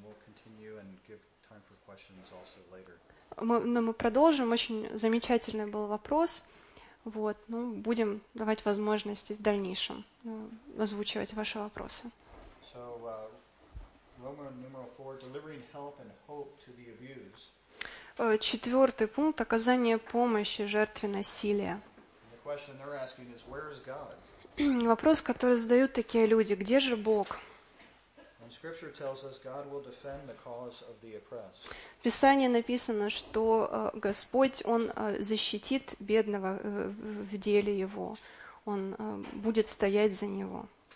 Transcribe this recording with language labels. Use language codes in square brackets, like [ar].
[en] We'll continue and give time for questions also later. [ru] Мы продолжим. Очень замечательный был вопрос. Вот, ну, будем давать возможности в дальнейшем озвучивать ваши вопросы. [en] So Roman numeral 4, delivering help and hope to the abused. [ru] Четвертый пункт – оказание помощи жертве насилия. [en] And the question they're asking is, where is God? [ru] Вопрос, который задают такие люди – где же Бог? [en] And scripture tells us God will defend the cause of the oppressed. [ru] В Писании написано, что Господь, Он защитит бедного в деле его. Он будет стоять за него.